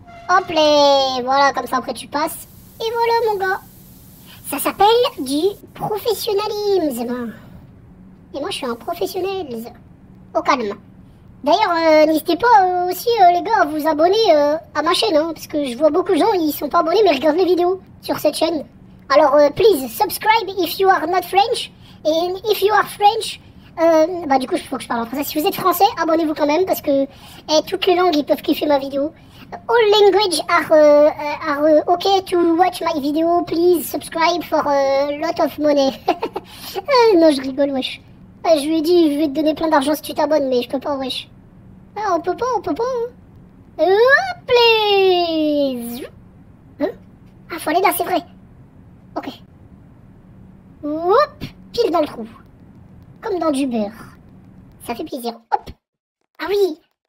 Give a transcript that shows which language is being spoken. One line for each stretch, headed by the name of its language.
French: Hop là, voilà, comme ça, après, tu passes. Et voilà, mon gars. Ça s'appelle du professionnalisme. Et moi, je suis un professionnel. Au calme. D'ailleurs, n'hésitez pas aussi, les gars, à vous abonner à ma chaîne, hein, parce que je vois beaucoup de gens, ils sont pas abonnés, mais regardent les vidéos sur cette chaîne.
English: Alors, please, subscribe if you are not French. Et if you are French...
French: bah du coup, il faut que je parle en français. Si vous êtes français, abonnez-vous quand même, parce que toutes les langues, ils peuvent kiffer ma vidéo.
English: All language are ok to watch my video, please subscribe for lot of money.
French: Non, je rigole, wesh. Je lui ai dit, je vais te donner plein d'argent si tu t'abonnes, mais je peux pas, wesh. Ah, on peut pas. Hein. Oh, please. Hein? Ah, faut aller là, c'est vrai. Ok. Hop, pile dans le trou. Comme dans du beurre. Ça fait plaisir. Hop. Ah oui.